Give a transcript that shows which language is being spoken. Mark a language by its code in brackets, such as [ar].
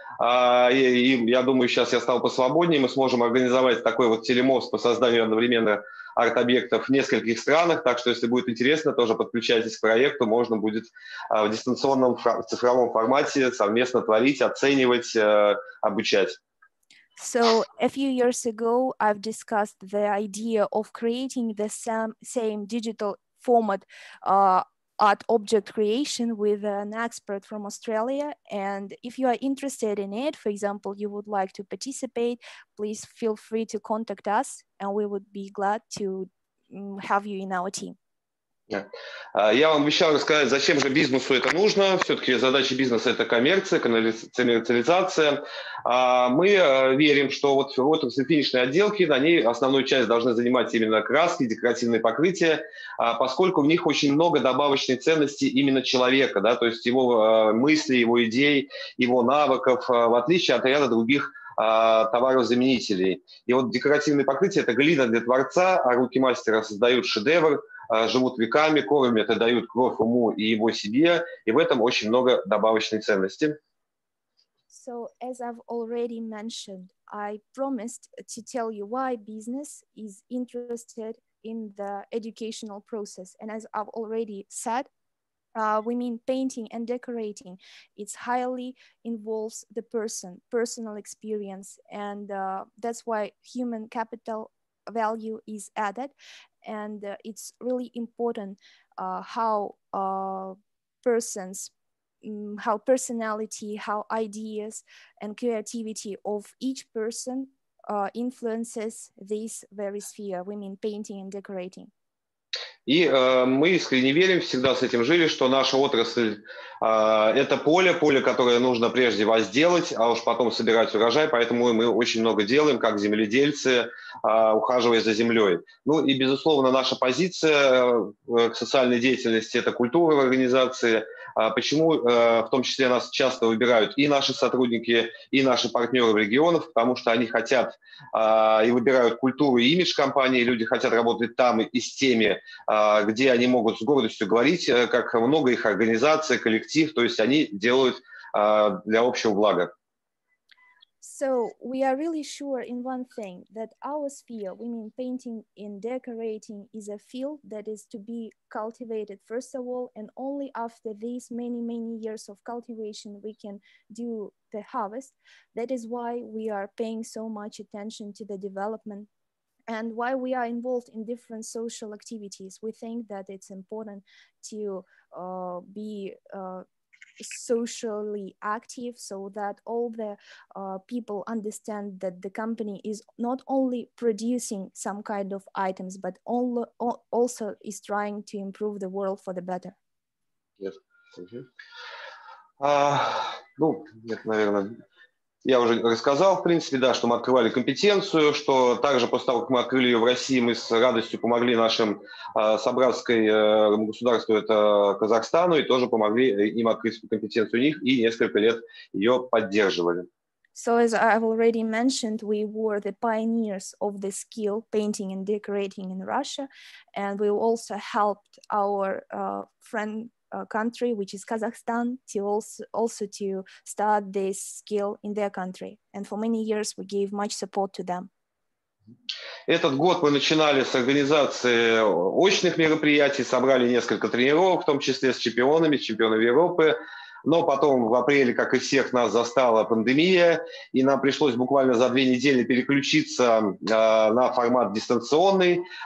[ru] И я думаю, сейчас я стал посвободнее, мы сможем организовать такой вот телемост по созданию одновременно арт-объектов в нескольких странах, так что если будет интересно, тоже подключайтесь к проекту, можно будет в дистанционном цифровом формате совместно творить, оценивать, обучать. [en] So a few years ago I've discussed the idea of creating the same digital format art object creation with an expert from Australia, and if you are interested in it, for example, you would like to participate, please feel free to contact us, and we would be glad to have you in our team. [ru] Я вам обещал рассказать, зачем же бизнесу это нужно. Все-таки задача бизнеса – это коммерция, коммерциализация. Мы верим, что вот в отрасли финишной отделки, на ней основную часть должны занимать именно краски, декоративные покрытия, поскольку в них очень много добавочной ценности именно человека, да, то есть его мысли, его идей, его навыков, в отличие от ряда других товаров-заменителей. И вот декоративные покрытия – это глина для творца, а руки мастера создают шедевр, живут веками, кормят и дают кровь ему и его себе, и в этом очень много добавочной ценности. [en] So, as I've already mentioned, I promised to tell you why business is interested in the educational process. And as I've already said, we mean painting and decorating. It highly involves the person, personal experience, and that's why human capital value is added. And it's really important how personality, how ideas and creativity of each person influences this very sphere, we mean painting and decorating. [ru] И мы искренне верим, всегда с этим жили, что наша отрасль – это поле, которое нужно прежде возделать, а уж потом собирать урожай, поэтому мы очень много делаем, как земледельцы, ухаживая за землей. Ну и, безусловно, наша позиция к социальной деятельности – это культура в организации. Почему в том числе нас часто выбирают и наши сотрудники, и наши партнеры в регионах? Потому что они хотят и выбирают культуру и имидж компании. Люди хотят работать там и с теми, где они могут с гордостью говорить, как много их организаций, коллектив. То есть они делают для общего блага. [en] So we are really sure in one thing, that our sphere, we mean painting and decorating, is a field that is to be cultivated first of all, and only after these many, many years of cultivation we can do the harvest. That is why we are paying so much attention to the development and why we are involved in different social activities. We think that it's important to be socially active, so that all the people understand that the company is not only producing some kind of items, but also is trying to improve the world for the better. Yes. [ru] Mm-hmm. Ну, нет, наверное, я уже рассказал, в принципе, да, что мы открывали компетенцию, что также после того, как мы открыли ее в России, мы с радостью помогли нашим собратской государству, это Казахстану, и тоже помогли им открыть компетенцию у них и несколько лет ее поддерживали. [en] So as I've already mentioned, we were the pioneers of the skill painting and decorating in Russia, and we also helped our friend country, which is Kazakhstan, to also to start this skill in their country. And for many years we gave much support to them. [ru] Этот год мы начинали с организации очных мероприятий, собрали несколько тренировок, в том числе с чемпионами, чемпионами Европы. Но потом в апреле, как и всех нас, застала пандемия, и нам пришлось буквально за две недели переключиться на формат дистанционный.